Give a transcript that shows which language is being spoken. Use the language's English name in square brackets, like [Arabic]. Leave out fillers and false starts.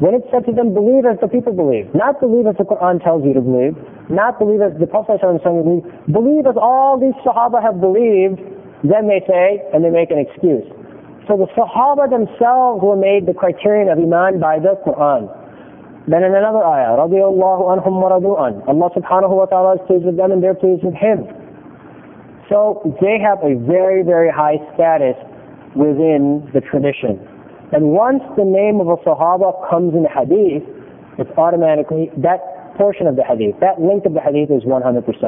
[English] When it said to them, believe as the people believe. Not believe as the Quran tells you to believe. Not believe as the Prophet ﷺ believe. Believe as all these Sahaba have believed. Then they say, and they make an excuse. So the Sahaba themselves were made the criterion of Iman by the Quran. Then in another ayah, [Arabic] رَضِيَ اللَّهُ عَنْهُمْ وَرَضُوا عَنْهُ. [English] Allah subhanahu wa ta'ala is pleased with them and they're pleased with him. So they have a very, very high status within the tradition. And once the name of a Sahaba comes in the hadith, it's automatically, that portion of the hadith, that link of the hadith is 100%.